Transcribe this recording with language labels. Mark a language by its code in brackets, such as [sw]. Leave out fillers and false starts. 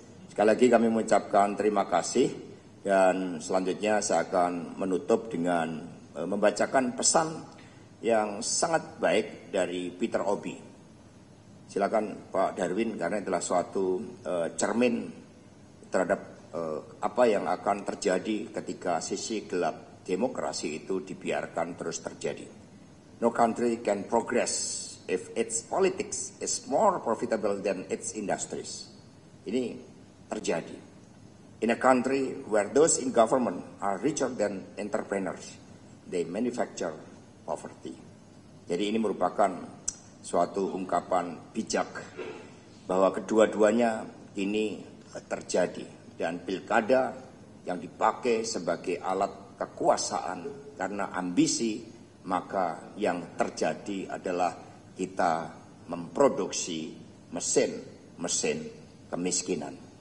[id] Sekali lagi kami mengucapkan terima kasih, dan selanjutnya saya akan menutup dengan membacakan pesan yang sangat baik dari Peter Obi. Silakan Pak Darwin, karena ini adalah suatu cermin terhadap apa yang akan terjadi ketika sisi gelap demokrasi itu dibiarkan terus terjadi. [en] No country can progress if its politics is more profitable than its industries. [id] Ini terjadi. [en] In a country where those in government are richer than entrepreneurs, they manufacture poverty. [id] Jadi ini merupakan suatu ungkapan bijak bahwa kedua-duanya ini terjadi. Dan pilkada yang dipakai sebagai alat kekuasaan karena ambisi, maka yang terjadi adalah kita memproduksi mesin-mesin kemiskinan.